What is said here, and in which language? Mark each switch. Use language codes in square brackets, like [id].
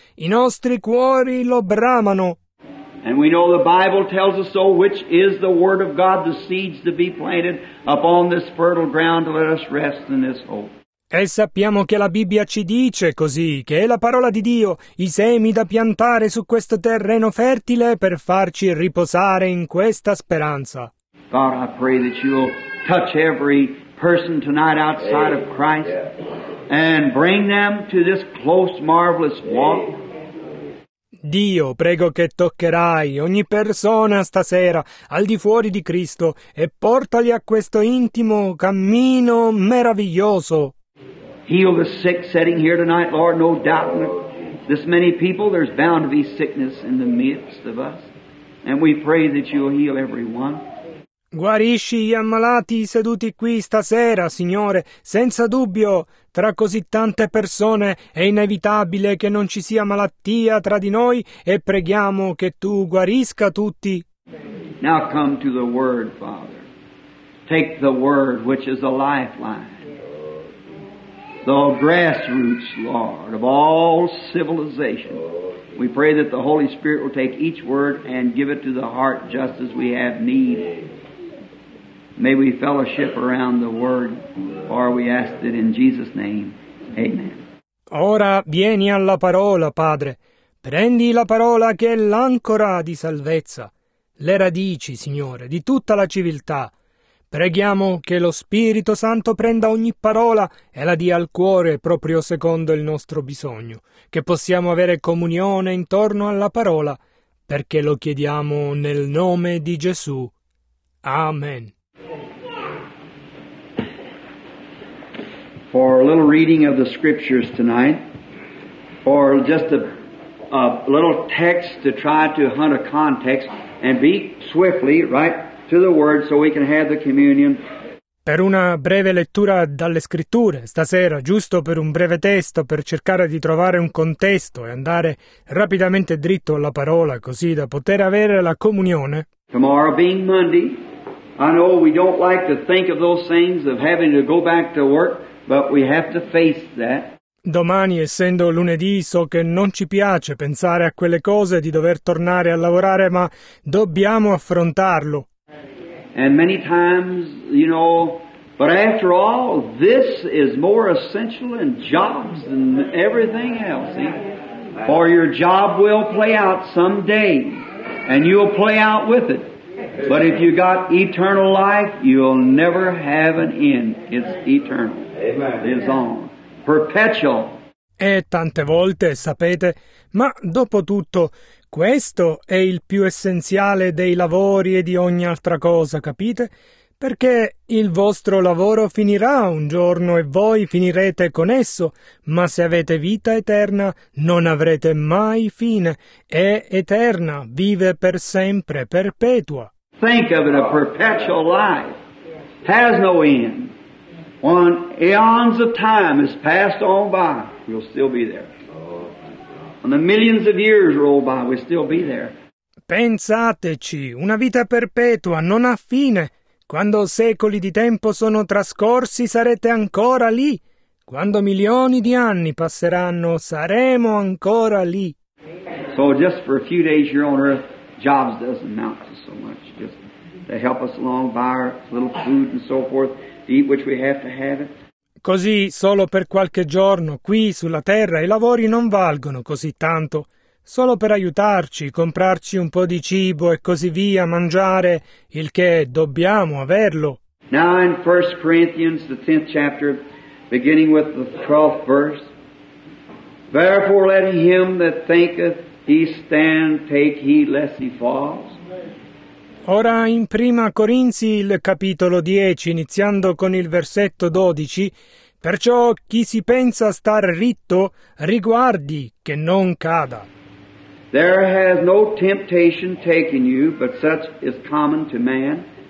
[it] I nostri cuori lo bramano. [en] And we know the Bible tells us so, which is the Word of God, the seeds to be planted upon this fertile ground, let us rest in this hope. [it] E sappiamo che la Bibbia ci dice così, che è la parola di Dio, i semi da piantare su questo terreno fertile per farci riposare in questa speranza. [en] God, I pray that you'll touch every person tonight outside of Christ and bring them to this close, marvelous walk. [it] Dio, prego che toccherai ogni persona stasera al di fuori di Cristo e portali a questo intimo cammino meraviglioso. [en] Heal the sick sitting here tonight, Lord. No doubt in this many people, there's bound to be sickness in the midst of us. And we pray that you'll heal everyone. [it] Guarisci gli ammalati seduti qui stasera, Signore. Senza dubbio, tra così tante persone è inevitabile che non ci sia malattia tra di noi e preghiamo che tu guarisca tutti. [en] Now come to the Word, Father. Take the Word, which is a lifeline. The grassroots, Lord, of all civilization. We pray that the Holy Spirit will take each word and give it to the heart just as we have need. May we fellowship around the word, for we ask it in Jesus' name. Amen. [it] Ora vieni alla parola, Padre. Prendi la parola che è l'ancora di salvezza, le radici, Signore, di tutta la civiltà. Preghiamo che lo Spirito Santo prenda ogni parola e la dia al cuore proprio secondo il nostro bisogno, che possiamo avere comunione intorno alla parola, perché lo chiediamo nel nome di Gesù. Amen. [en] for a little reading of the scriptures tonight, or just a little text to try to hunt a context and be swiftly right to the word so we can have the communion. [it] Per una breve lettura dalle scritture stasera, giusto per un breve testo, per cercare di trovare un contesto e andare rapidamente dritto alla parola, così da poter avere la comunione. [en] Tomorrow being Monday, I know we don't like to think of those things of having to go back to work, but we have to face that. [it] Domani, essendo lunedì, so che non ci piace pensare a quelle cose di dover tornare a lavorare, ma dobbiamo affrontarlo. [en] And many times, you know, but after all, this is more essential in jobs than everything else. See? For your job will play out someday, and you'll play out with it. But if you got eternal life, you'll never have an end. It's eternal. Amen. It's on. Perpetual. [it] E tante volte, sapete, ma dopo tutto, questo è il più essenziale dei lavori e di ogni altra cosa, capite? Perché il vostro lavoro finirà un giorno e voi finirete con esso, ma se avete vita eterna non avrete mai fine, è eterna, vive per sempre, perpetua. [en] Think of it, a perpetual life has no end. When eons of time has passed on by, we'll still be there. When the millions of years roll by, we'll still be there. [it] Pensateci, una vita perpetua non ha fine. Quando secoli di tempo sono trascorsi, sarete ancora lì. Quando milioni di anni passeranno, saremo ancora lì. [en] So just for a few days you're on earth, jobs doesn't amount to so much. Just to help us along, buy our little food and so forth. Eat which we have to have it. [it] Così, solo per qualche giorno, qui sulla terra, i lavori non valgono così tanto. Solo per aiutarci, comprarci un po' di cibo e così via, mangiare, il che dobbiamo averlo. [en] Now in 1 Corinthians, the 10th chapter, beginning with the 12th verse. Therefore let him that thinketh he stand take heed lest he falls. [it] Ora in Prima Corinzi, il capitolo 10, iniziando con il versetto 12, perciò chi si pensa star ritto, riguardi che non cada. [en] There has no temptation taken you, but such is common to man.